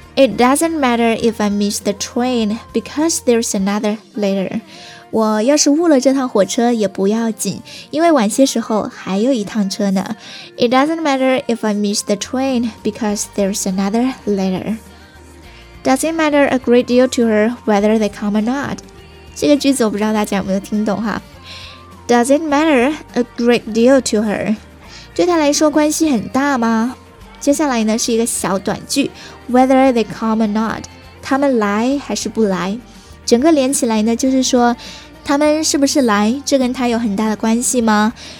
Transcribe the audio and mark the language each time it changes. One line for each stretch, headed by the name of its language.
English: It doesn't matter if I miss the train because there's another later.
Chinese: 我要是误了这趟火车也不要紧，因为晚些时候还有一趟车呢。
English: It doesn't matter if I miss the train because there's another later. Does it matter a great deal to her whether they come or not?
Chinese: 这个句子我不知道大家有没有听懂哈。
English: Does it matter a great deal to her? 对她来说关系很大吗？
Chinese: 接下来呢是一个小短句 whether they come or not，他们来还是不来，整个连起来呢就是说他们是不是来，这跟他有很大的关系吗？